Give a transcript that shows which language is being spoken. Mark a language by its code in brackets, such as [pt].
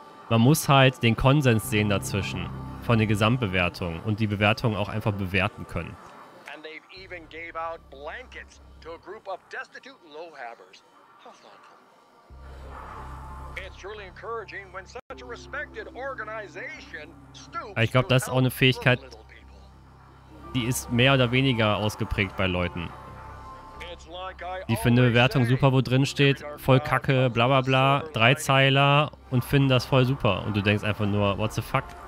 [de] Man muss halt den Konsens sehen dazwischen von der Gesamtbewertung und die Bewertung auch einfach bewerten können. [en] And they've even gave out blankets to a group of destitute lowhabbers. How thoughtful. It's truly encouraging when such a respected organization stoops. [de] Ich glaube, das ist auch eine Fähigkeit, die ist mehr oder weniger ausgeprägt bei Leuten. Die finden eine Bewertung super, wo drin steht, voll kacke, bla bla bla, drei Zeiler und finden das voll super. Und du denkst einfach nur, [en] what the fuck?